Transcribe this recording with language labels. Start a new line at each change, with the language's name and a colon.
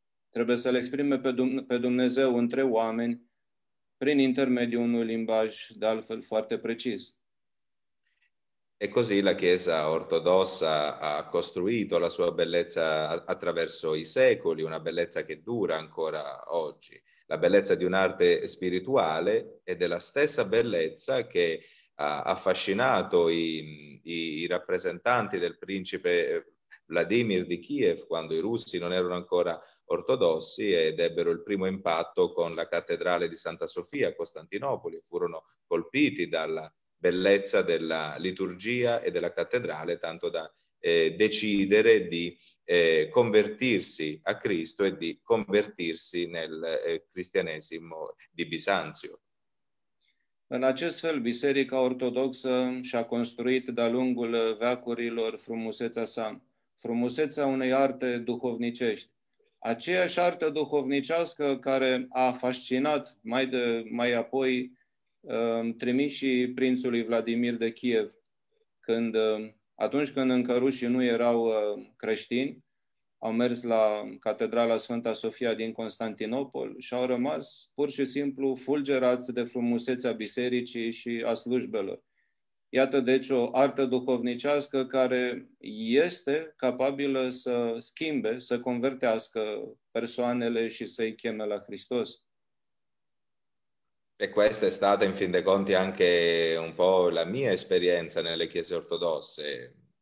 Romanian: trebuie să le exprime pe Dumnezeu între oameni prin intermediul unui limbaj de altfel foarte precis.
Italian: E così la Chiesa ortodossa ha costruito la sua bellezza attraverso i secoli, una bellezza che dura ancora oggi. La bellezza di un'arte spirituale e della stessa bellezza che ha affascinato i rappresentanti del principe Vladimir di Kiev quando i russi non erano ancora ortodossi ed ebbero il primo impatto con la cattedrale di Santa Sofia a Costantinopoli, furono colpiti dalla bellezza della liturgia e della cattedrale, tanto da decidere di convertirsi a Cristo e di convertirsi nel cristianesimo di Bisanzio.
Romanian: În acest fel, Biserica Ortodoxă și-a construit de-a lungul veacurilor frumusețea sa, frumusețea unei arte duhovnicești. Aceeași artă duhovnicească care a fascinat mai apoi trimișii prințului Vladimir de Kiev, atunci când încă rușii nu erau creștini, au mers la Catedrala Sfânta Sofia din Constantinopol și au rămas pur și simplu fulgerați de frumusețea bisericii și a slujbelor. Iată deci o artă duhovnicească care este capabilă să schimbe, să convertească persoanele și să-i cheme la Hristos.
Italian: E questa è stata in fin dei conti anche un po' la mia esperienza nelle chiese ortodosse.